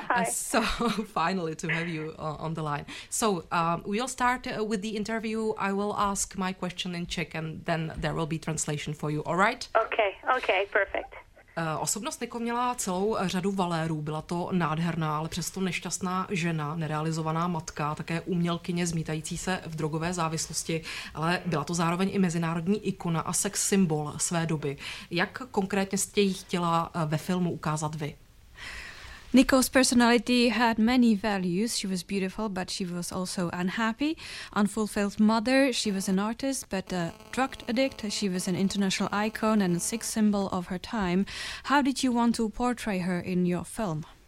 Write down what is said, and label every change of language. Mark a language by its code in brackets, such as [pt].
[en] So finally to have you on the line. So we'll start with the interview. I will ask my question in Czech and then there will be translation for you, all right? Okay, perfect. [cs] Osobnost Niko měla celou řadu valérů, byla to nádherná, ale přesto nešťastná žena, nerealizovaná matka, také umělkyně zmítající se v drogové závislosti, ale byla to zároveň i mezinárodní ikona a sex symbol své doby. Jak konkrétně jste ji chtěla ve filmu ukázat vy? [en] Nicole's personality had many values. She was beautiful, but she was also unhappy, unfulfilled mother. She was an artist, but a drug addict. She was an international icon and a sex symbol of her time. How did you want to portray her in your film?